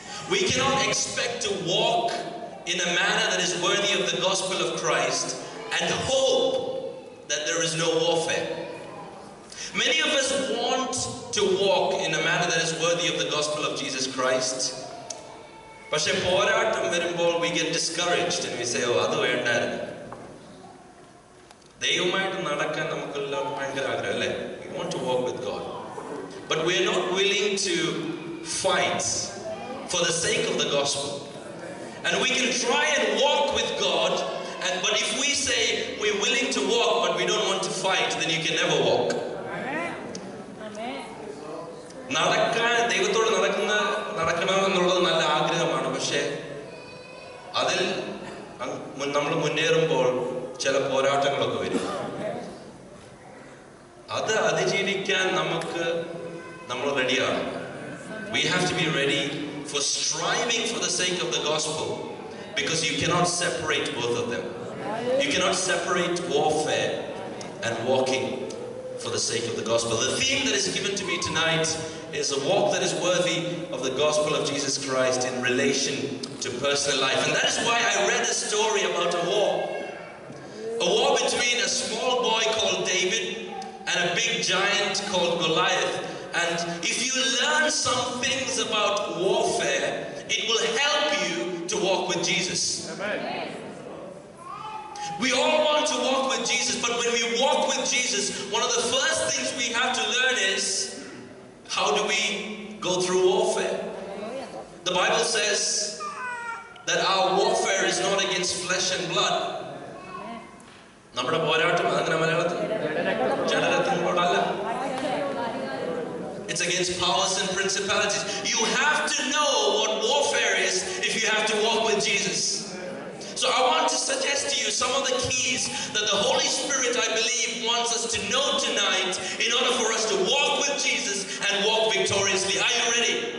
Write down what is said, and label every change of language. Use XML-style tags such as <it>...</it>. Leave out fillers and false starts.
<en>We cannot expect to walk in a manner that is worthy of the gospel of Christ and hope that there is no warfare. Many of us want to walk in a manner that is worthy of the gospel of Jesus Christ.</en> <ml>പക്ഷെ പോരാട്ടം വരുമ്പോൾ</ml> <en>we get discouraged and we say, oh,</en> <ml>അത് വേണ്ടായിരുന്നു. ദൈവമായിട്ട് നടക്കാൻ നമുക്കെല്ലാം ഭയങ്കര ആഗ്രഹം അല്ലേ?</ml> <en>We want to walk with God. But we are not willing to fight for the sake of the gospel. And we can try and walk with God, and but if we say we're willing to walk but we don't want to fight, then you can never walk.</en> <ml>നടക്കാൻ ദൈവത്തോട് നടക്കുന്ന നടക്കണമെന്നുള്ളത് നല്ല ആഗ്രഹമാണ്. പക്ഷേ അതിൽ നമ്മൾ മുന്നേറുമ്പോൾ ചില പോരാട്ടങ്ങളൊക്കെ വരും. അത് അതിജീവിക്കാൻ നമുക്ക് നമ്മൾ റെഡിയാണ്.</ml> <en>We have to be ready for striving for the sake of the gospel, because you cannot separate both of them. You cannot separate warfare and walking for the sake of the gospel. The theme that is given to me tonight is a walk that is worthy of the gospel of Jesus Christ in relation to personal life. And that is why I read a story about a war. A war between a small boy called David and a big giant called Goliath. And if you learn some things about warfare, it will help you to walk with Jesus. Amen. We all want to walk with Jesus, but when we walk with Jesus, one of the first things we have to learn is how do we go through warfare? The Bible says that our warfare is not against flesh and blood.</en> <ml>നമ്മുടെ പോരാട്ടം അങ്ങനെ മലയാളത്തിൽ ജഡരത്തിനോടല്ല.</ml> <en>It's against powers and principalities. You have to know what warfare is if you have to walk with Jesus. So I want to suggest to you some of the keys that the Holy Spirit, I believe, wants us to know tonight in order for us to walk with Jesus and walk victoriously. Are you ready?</en>